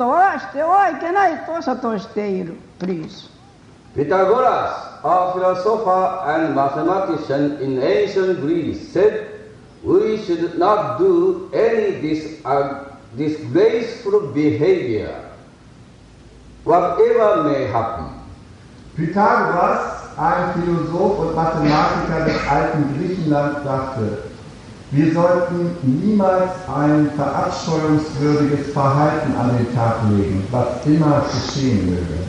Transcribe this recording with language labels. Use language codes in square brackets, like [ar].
[ja] さあ、そしてまずありがとうな。はい。それでは、レクチャーオープンやね。古代ギリシャの哲人にして数学者であるピタゴラス曰く、どんなことがあっても人前にて恥さらしのことはしてはいけないと諭しているプリーズ。 [en] Pythagoras, a philosopher and mathematician in ancient Greece, said we should not do any disgraceful behavior, whatever may happen. [de] Pythagoras, ein Philosoph und Mathematiker des alten Griechenlands, sagte, wir sollten niemals ein verabscheuungswürdiges Verhalten an den Tag legen, was immer geschehen möge.